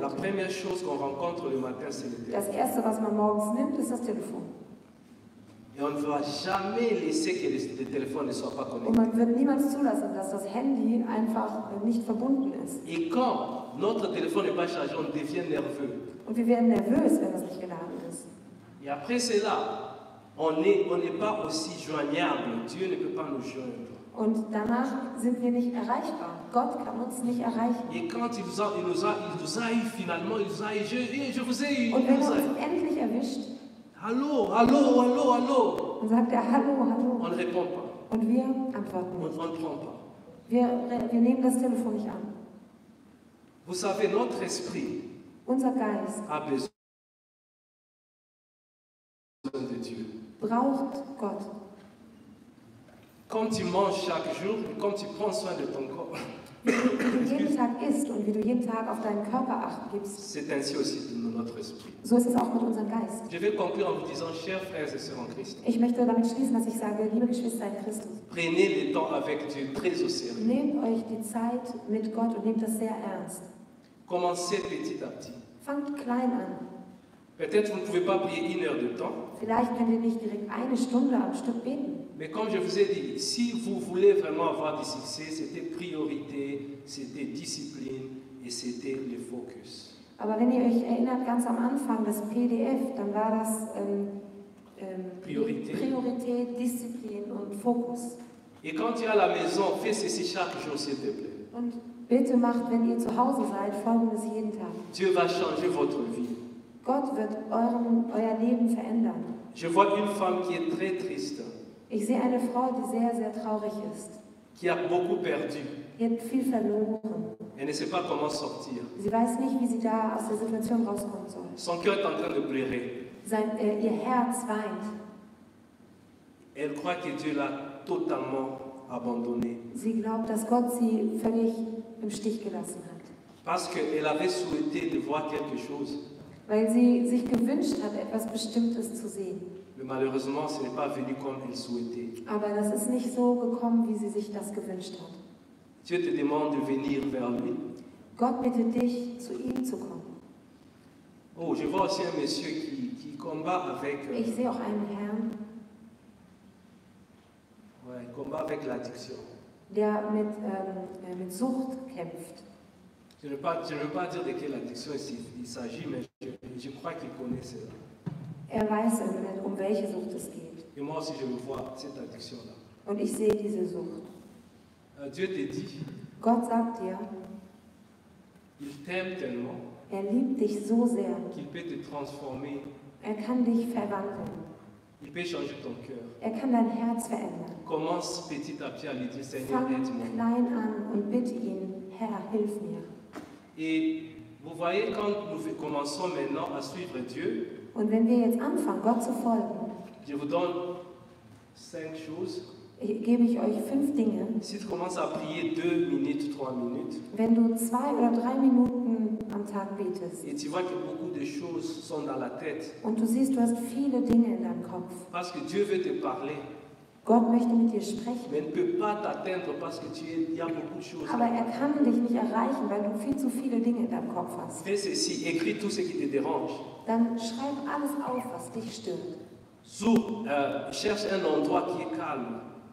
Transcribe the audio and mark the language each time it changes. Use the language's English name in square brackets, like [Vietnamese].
[French] La première chose qu'on rencontre le matin, c'est le téléphone. [German] Das erste, was man morgens nimmt, ist das Telefon. [French] Et on ne va jamais laisser que le téléphone ne soit pas connecté. [German] Und man wird niemals zulassen, dass das Handy einfach nicht verbunden ist. [French] Et quand notre téléphone n'est pas chargé, on devient nerveux. [German] Und wir werden nervös, wenn das nicht geladen ist. [French] Et après cela, on n'est pas aussi joignable. Dieu ne peut pas nous joindre. [German] Und danach sind wir nicht erreichbar. Gott kann uns nicht erreichen. [French] Et quand il nous a eu, je vous ai eu. [German] Und wenn er uns endlich erwischt, Hallo. Dann sagt er Hallo. [French] On ne répond pas. [German] Und wir antworten nicht. [French] On ne prend pas. [German] Wir nehmen das Telefon nicht an. [French] Vous savez, notre esprit, [German] unser Geist, [French] a besoin de Dieu. [German] Braucht Gott. [French] Comme tu manges chaque jour, comme tu prends soin de ton corps. [German] Wie du jeden Tag isst und wie du jeden Tag auf deinen Körper acht gibst. [French] C'est ainsi aussi dans notre esprit. [German] So ist es auch mit unserem Geist. [French] Je vais conclure en vous disant, chers frères et sœurs en Christ. [German] Ich möchte damit schließen, dass ich sage, liebe Geschwister in Christus. [French] Prenez le temps avec Dieu très au sérieux. [German] Nehmt euch die Zeit mit Gott und nehmt das sehr ernst. [French] Commencez petit à petit. [German] Fangt klein an. [French] Peut-être vous ne pouvez pas prier une heure de temps. [German] Vielleicht könnt ihr nicht direkt eine Stunde am Stück beten. [French] Mais comme je vous ai dit, si vous voulez vraiment avoir du succès, c'était priorité, c'était discipline et c'était le focus. [German] Aber wenn ihr euch erinnert ganz am Anfang das PDF, dann war das [French] Priorité, [German] Discipline und Focus. [French] Et quand tu es à la maison, fais ceci chaque jour, s'il te plaît. [German] Und bitte macht, wenn ihr zu Hause seid, folgendes jeden Tag. [French] Dieu va changer votre vie. [German] Gott wird euer Leben verändern. [French] Je vois une femme qui est très triste. [German] Ich sehe eine Frau, die sehr, sehr traurig ist. [French] Qui a beaucoup perdu. [German] Die hat viel verloren. [French] Elle ne sait pas comment sortir. [German] Sie weiß nicht, wie sie da aus der Situation rauskommen soll. [French] Son cœur est en train de pleurer. [German] Ihr Herz weint. [French] Elle croit que Dieu l'a totalement abandonné. [German] Sie glaubt, dass Gott sie völlig im Stich gelassen hat. [French] Parce qu'elle avait souhaité de voir quelque chose. [German] Weil sie sich gewünscht hat, etwas Bestimmtes zu sehen. [French] Mais malheureusement, ce n'est pas venu comme elle souhaitait. [German] Aber das ist nicht so gekommen, wie sie sich das gewünscht hat. [French] Dieu te demande de venir vers lui. [German] Gott bittet dich, zu ihm zu kommen. [French] Oh, je vois aussi un monsieur qui combat avec. [German] Ich sehe auch einen Herrn. [French] Ouais, combat avec l'addiction. [German] Der mit Sucht kämpft. [French] Je ne veux pas dire de quelle addiction il s'agit, mais je crois qu'il connaît cela. [German] Er weiß, um welche Sucht es geht. [French] Et moi aussi, je me vois cette addiction-là. [German] Und ich sehe diese Sucht. [French] Dieu te dit, [German] Gott sagt dir, [French] il t'aime tellement, [German] er liebt dich so sehr, [French] qu'il peut te transformer, [German] er kann dich verwandeln. [French] Il peut changer ton cœur. [German] Er kann dein Herz verändern. [French] Commence petit à petit à lui dire, Seigneur, aide-moi. [German] Fang klein an und bitte ihn, Herr, hilf mir. [French] Et vous voyez, quand nous commençons maintenant à suivre Dieu, [German] und wenn wir jetzt anfangen, Gott zu folgen, [French] je vous donne cinq choses. [German] Gebe ich euch fünf Dinge. [French] Si tu commences à prier deux minutes, trois minutes, [German] wenn du zwei oder drei Minuten am Tag betest, [French] et tu vois que beaucoup de choses sont dans la tête, [German] und du siehst, du hast viele Dinge in deinem Kopf, [French] parce que Dieu veut te parler, [German] Gott möchte mit dir sprechen, [French] mais ne peut pas t'atteindre parce que tu y a beaucoup de choses, [German] aber er kann dich nicht erreichen, weil du viel zu viele Dinge in deinem Kopf hast. [French] Fais ceci, écris tout ce qui te dérange. [German] Dann schreib alles auf, was dich stört. [French] So, cherche un endroit qui est calme.